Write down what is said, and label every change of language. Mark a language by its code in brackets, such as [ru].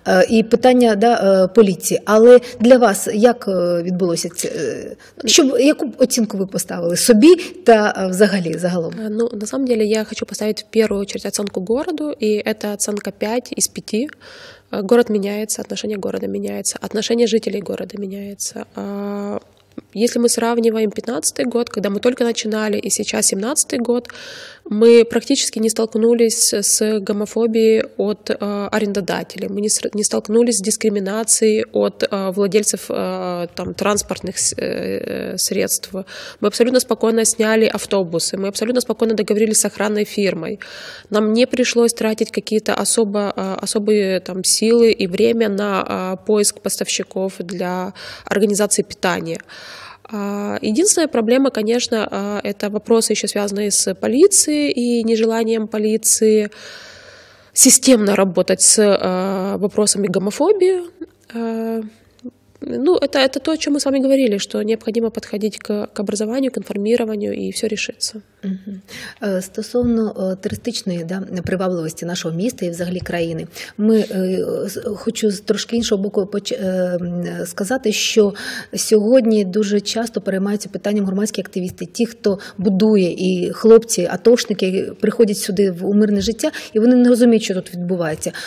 [uk] І питання, да, поліції. Але для вас як відбулося це? Щоб, яку оцінку ви поставили собі та взагалі, загалом? [ru] Ну, на самом деле, я хочу [uk] поставити в першу чергу оцінку городу. І це оцінка 5 із 5. Город міняється, отношення города міняється, отношення жителей города міняється. [ru] Если мы сравниваем 2015 год, когда мы только начинали, и сейчас 2017 год, мы практически не столкнулись с гомофобией от арендодателей, мы не столкнулись с дискриминацией от владельцев там, транспортных средств. Мы абсолютно спокойно сняли автобусы, мы абсолютно спокойно договорились с охранной фирмой. Нам не пришлось тратить какие-то особые там, силы и время на поиск поставщиков для организации питания. Единственная проблема, конечно, это вопросы еще связанные с полицией и нежеланием полиции системно работать с вопросами гомофобии. Ну, это то, о чем мы с вами говорили, что необходимо подходить к образованию, к информированию, и все решится. [uk] Стосовно туристичної, да, привабливості нашого міста і взагалі країни, ми хочу з трошки іншого боку сказати, що сьогодні дуже часто переймаються питанням громадські активісти, ті, хто будує, і хлопці, атошники приходять сюди в мирне життя, і вони не розуміють, що тут відбувається.